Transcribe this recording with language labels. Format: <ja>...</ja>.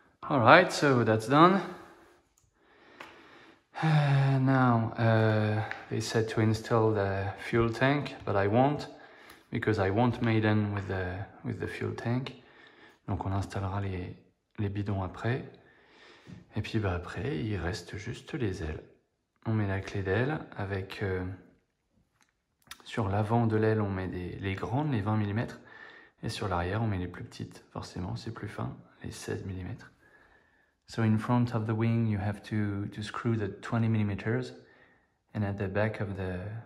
<en>All right. So that's done. Now, they said to install the fuel tank, but I won't, because I won't maiden with the fuel tank.</en> <fr>Donc on installera les bidons après. Et puis bah, après, il reste juste les ailes. On met la clé d'aile avec... sur l'avant de l'aile, on met les grandes, les 20 mm. Et sur l'arrière, on met les plus petites. Forcément, c'est plus fin, les 16 mm.</fr> <en>So in front of the wing, you have to screw the 20 millimeters, and at the back of the</en>